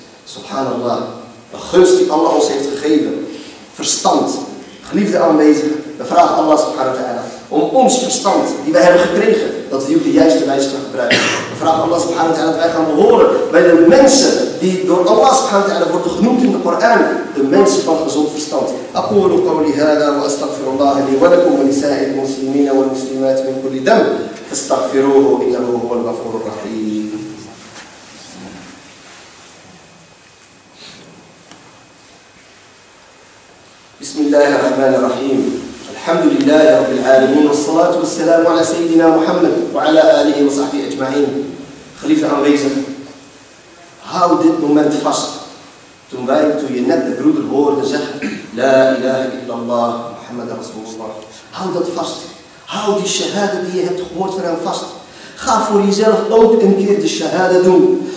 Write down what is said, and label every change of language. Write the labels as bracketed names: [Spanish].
[Dutch] Subhanallah, de gunst die Allah ons heeft gegeven, verstand, geliefde aanwezigen, we vragen Allah subhanahu wa ta'ala om ons verstand die wij hebben gekregen, dat we die op de juiste wijze gaan gebruiken. We vragen Allah subhanahu wa ta'ala dat wij gaan behoren bij de mensen die door Allah subhanahu wa ta'ala worden genoemd in de Koran, de mensen van gezond verstand. [Arabic] أقول قولي هذا وأستغفر الله لي ولكم ولسائر المسلمين والمسلمات من كل ذنب فاستغفروه إنه هو الغفور الرحيم. بسم الله الرحمن الرحيم. الحمد لله رب العالمين والصلاة والسلام على سيدنا محمد وعلى آله وصحبه أجمعين. خليفة أنغيزن How did moment fast? [Dutch] Toen je net de broeder hoorde zeggen La ilaha illallah Muhammad Rasulullah. Hou dat vast. Hou die shahada die je hebt gehoord van hem vast. Ga voor jezelf ook een keer de shahada doen.